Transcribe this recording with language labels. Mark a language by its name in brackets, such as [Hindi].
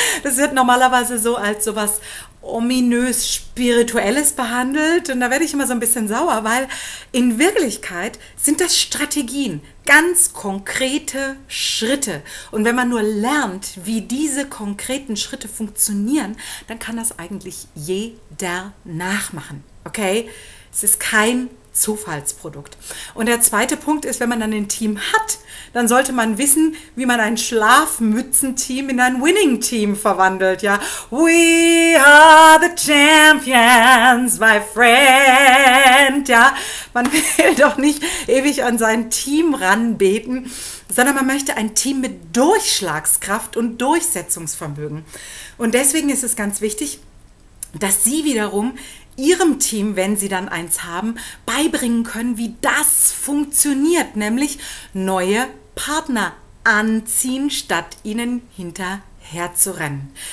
[German] Das wird normalerweise so als sowas ominös Spirituelles behandelt und da werde ich immer so ein bisschen sauer, weil in Wirklichkeit sind das Strategien, ganz konkrete Schritte und wenn man nur lernt, wie diese konkreten Schritte funktionieren, dann kann das eigentlich jeder nachmachen, okay? Es ist kein Zufallsprodukt. Und der zweite Punkt ist, wenn man dann ein Team hat, dann sollte man wissen, wie man ein Schlafmützenteam in ein Winning-Team verwandelt. [English] Ja, we are the champions, my friend. [German] Ja, man will doch nicht ewig an sein Team ranbeten, sondern man möchte ein Team mit Durchschlagskraft und Durchsetzungsvermögen. Und deswegen ist es ganz wichtig, dass Sie wiederum Ihrem Team, wenn Sie dann eins haben, beibringen können, wie das funktioniert, nämlich neue Partner anziehen, statt ihnen hinterher herzurennen.